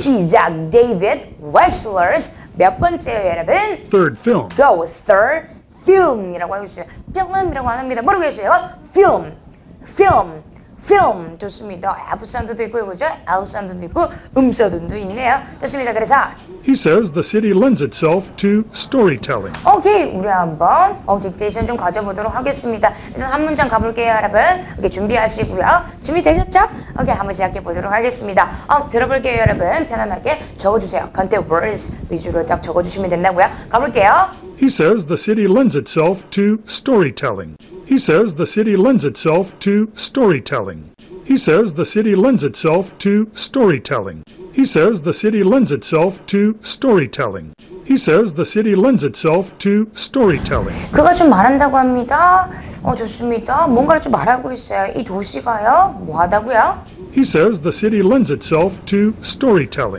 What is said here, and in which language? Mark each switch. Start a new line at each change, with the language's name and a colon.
Korean: 시작! David Wexler's 몇 번째요, 여러분?
English: Third film. Go, third film
Korean: 이라고 하고 있어요. Film이라고 합니다. 모르겠어요. Film, film, film도 씁니다. F 사운드도 있고요, 그죠? L 사운드도 있고 사운드도 있네요. 좋습니다. 그래서
English: He says the city lends itself to storytelling.
Korean: 오케이, 우리 한번 딕테이션 좀 가져보도록 하겠습니다. 일단 한 문장 가볼게요, 여러분. 오케이, 준비하시고요. 준비되셨죠? 오케이, 한번 시작해보도록 하겠습니다. 들어볼게요, 여러분. 편안하게 적어주세요. 간단히 words 위주로 딱 적어주시면 된다고요. 가볼게요.
English: He says the city lends itself to storytelling. He says the city lends itself to storytelling. He says the city lends itself to storytelling. He says the city lends itself to storytelling. He says the city lends itself to storytelling.
Korean: 그가 좀 말한다고 합니다. 좋습니다. 뭔가를 좀 말하고 있어요. 이 도시가요? 뭐 하다고요?
English: He says the city lends itself to storytelling.